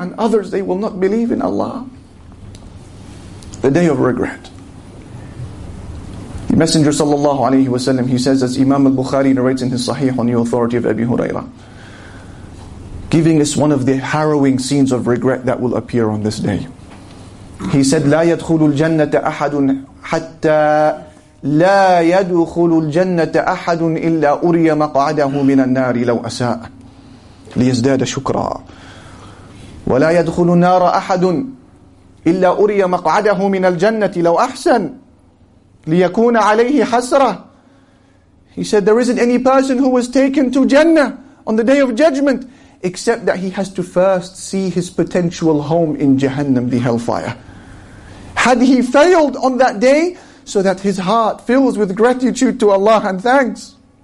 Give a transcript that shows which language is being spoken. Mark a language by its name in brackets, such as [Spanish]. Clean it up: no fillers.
[English] And others, they will not believe in Allah. The Day of Regret. The Messenger sallallahu alaihi wasallam, he says, as Imam al-Bukhari narrates in his Sahih on the authority of Abi Hurairah, giving us one of the harrowing scenes of regret that will appear on this day. He said, [Arabic] لا يدخل الجنة أحد حتى لا يدخل الجنة أحد إلا أري مقعده من النار لو أساء ليزداد شكرا ولا يدخل النار أحد إلا أري مقعده من الجنة لو أحسن ليكون عليه حسرة. [English] He said, there isn't any person who was taken to Jannah on the Day of Judgment except that he has to first see his potential home in Jahannam, the hellfire. Had he failed on that day, so that his heart fills with gratitude to Allah and thanks.